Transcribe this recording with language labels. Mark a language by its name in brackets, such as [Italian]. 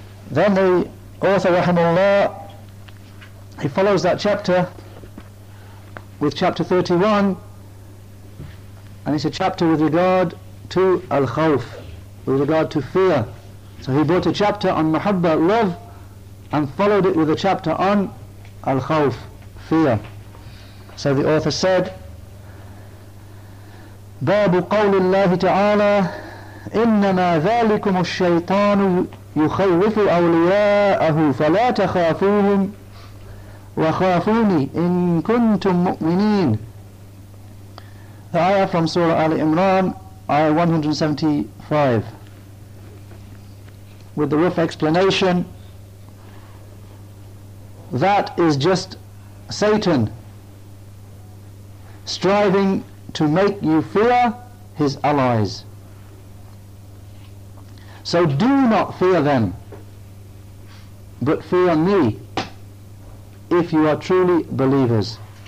[English] Then the author, rahimahullah, he follows that chapter with chapter 31, and it's a chapter with regard to al-khawf, with regard to fear. So he brought a chapter on muhabba, love, and followed it with a chapter on al-khawf, fear. [Arabic] So the author said, بَابُ قَوْلِ اللَّهِ تَعَالَى إِنَّمَا ذَلِكُمُ الشَّيْطَانُ يُخَوِّفُ أَوْلِيَاءَهُ فَلَا تَخَافُوهُمْ وَخَافُونِي إِن كُنْتُم مُؤْمِنِينَ. [English] The ayah from Surah Ali Imran, Ayah 175. with the rough explanation, that is just Satan striving to make you fear his allies. So do not fear them, but fear me, if you are truly believers.